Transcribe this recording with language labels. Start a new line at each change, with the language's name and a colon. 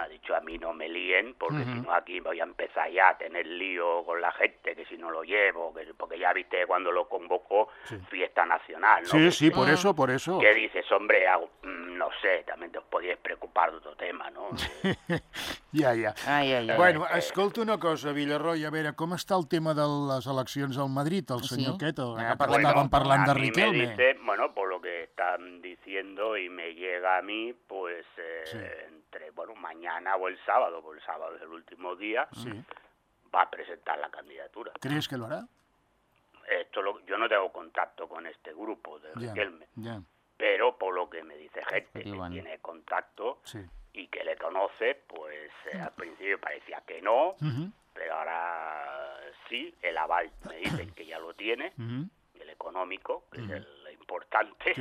Spanish: Ha dicho, a mí no me líen, porque si no aquí voy a empezar ya a tener lío con la gente, que si no lo llevo, porque ya viste cuando lo convocó, fiesta nacional, ¿no? Sí, que, sí, por eso, por eso. ¿Qué dices, hombre? No sé, también te podías preocupar de otro tema, ¿no? Ya. Ay.
Catalan: Bueno, escolta una cosa, Villarroi, a veure, com està el tema de les eleccions al Madrid, el senyor Queto? Estàvem parlant de Riquelme.
Spanish: Dice, bueno, por lo que están diciendo y me llega a mí, pues, entre, bueno, mañana o el sábado, porque el sábado es el último día, va a presentar la candidatura. ¿Crees que lo hará? Yo no tengo contacto con este grupo de Riquelme. Pero por lo que me dice gente que tiene contacto y que le conoce, pues al principio parecía que no, pero ahora sí, el aval me dicen que ya lo tiene, el económico, que es el importante.